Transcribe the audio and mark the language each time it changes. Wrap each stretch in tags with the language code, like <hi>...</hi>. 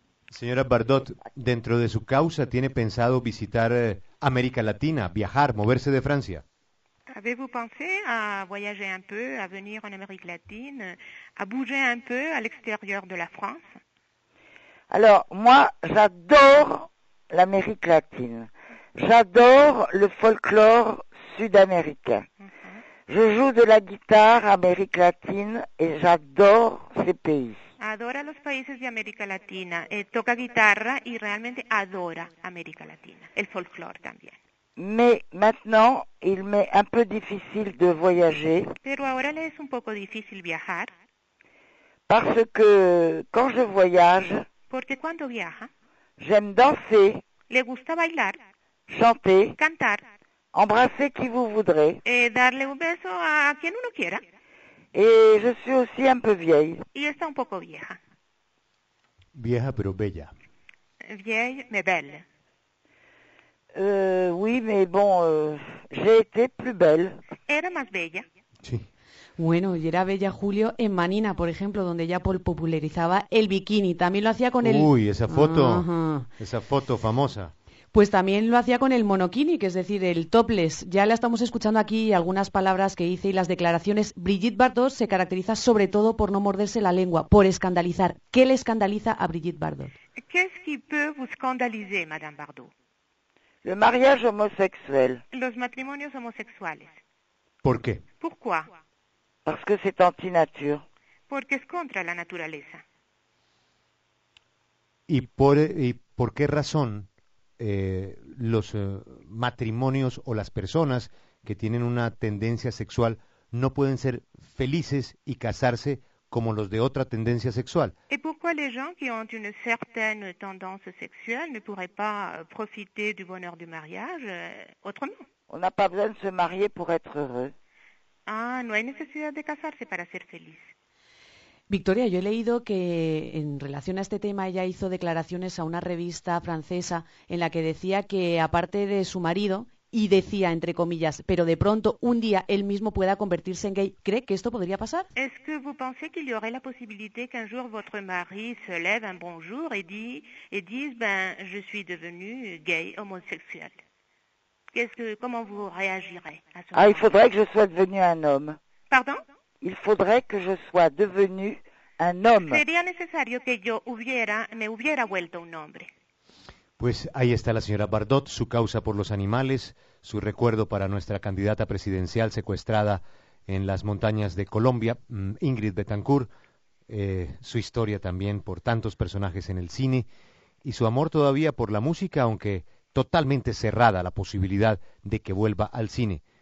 <es>Señora Bardot, ¿dentro de su causa tiene pensado visitar América Latina, viajar, moverse de Francia?</es> <fr>Avez-vous pensé à voyager un peu, à venir en Amérique latine, à bouger un peu à l'extérieur de la France? Alors, moi, j'adore l'Amérique latine. J'adore le folklore sud-américain. Je joue de la guitare Amérique latine et j'adore ces pays.</fr> <es>Adora los países de América Latina, toca guitarra y realmente adora América Latina, el folclore también.</es> <fr>Mais maintenant, il m'est un peu difficile de voyager.</fr> <es>Pero ahora le es un poco difícil viajar.</es> <fr>Parce que quand je voyage,</fr> <es>porque cuando viaja,</es> <fr>j'aime danser,</fr> <es>le gusta bailar,</es> <fr>chanter,</fr> <es>cantar,</es> <fr>embrasser qui vous voudrez,</fr> <es>darle un beso a quien uno quiera.</es> <fr>Et je suis aussi un peu vieille.</fr> <es>Y está un poco vieja. Vieja pero bella.</es> <fr>Vieille mais belle. Oui, mais bon, j'ai été plus belle.</fr> <es>Era más bella. Sí. Bueno, y era bella Julio en Manina, por ejemplo, donde ella popularizaba el bikini. También lo hacía con el... Uy, esa foto, esa foto famosa. Pues también lo hacía con el monokini, que es decir, el topless. Ya la estamos escuchando aquí algunas palabras que dice y las declaraciones. Brigitte Bardot se caracteriza sobre todo por no morderse la lengua, por escandalizar. ¿Qué le escandaliza a Brigitte Bardot? ¿Qué es que puede</es> <fr>vous scandaliser,</fr> <es>madame Bardot?</es> <fr>Le mariage homosexuel.</fr> <es>Los matrimonios homosexuales. ¿Por qué?</es> <fr>Pourquoi? Parce que c'est anti-nature.</fr> <es>Porque es contra la naturaleza. ¿Y por qué razón? Los matrimonios o las personas que tienen una tendencia sexual no pueden ser felices y casarse como los de otra tendencia sexual. ¿Y por qué las personas que tienen una cierta tendencia sexual no pueden profitar del</es> <fr>bonheur</fr> <es>del</es> <fr>mariage autrement? On n'a pas besoin de se marier pour être heureux.</fr> <es>Ah, no hay necesidad de casarse para ser feliz. Victoria, yo he leído que en relación a este tema ella hizo declaraciones a una revista francesa en la que decía que aparte de su marido, y decía entre comillas, pero de pronto un día él mismo pueda convertirse en gay, ¿cree que esto podría pasar?</es> <fr>¿Est-ce que vous pensez qu'il y aurait la possibilité qu'un jour votre mari se lève un bonjour et dise ben je suis devenu gay homosexuel? Comment vous réagirez à ce moment? Ah, il faudrait que je sois devenu un homme. Pardon? Il faudrait que je sois devenu un homme.</fr> <es>Sería necesario que yo me hubiera vuelto un hombre. Pues ahí está la señora Bardot, su causa por los animales, su recuerdo para nuestra candidata presidencial secuestrada en las montañas de Colombia, Ingrid Betancourt, su historia también por tantos personajes en el cine, y su amor todavía por la música, aunque totalmente cerrada la posibilidad de que vuelva al cine.</es>